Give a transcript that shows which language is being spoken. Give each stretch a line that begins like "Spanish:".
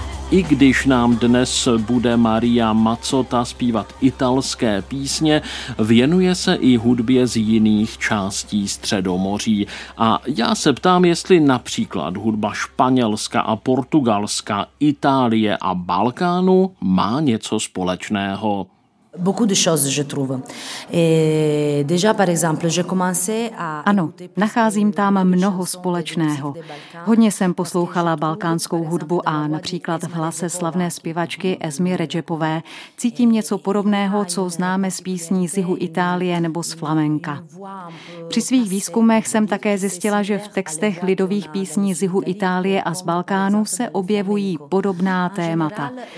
Czech: I když nám dnes bude Maria Mazzotta zpívat italské písně, věnuje se i hudbě z jiných částí Středomoří. A já se ptám, jestli například hudba Španělska a Portugalska, Itálie a Balkánu má něco společného.
French: Beaucoup de choses, je trouve. Et déjà, par exemple, j'ai commencé à...
Czech: Ano, nacházím tam mnoho společného. Hodně jsem poslouchala balkánskou hudbu a například v hlase slavné zpěvačky Esmy Redžepové cítím něco podobného, co známe z písní z jihu Itálie nebo z flamenka. Při svých výzkumech jsem také zjistila, že v textech lidových písní z jihu Itálie a z Balkánu se objevují podobná témata.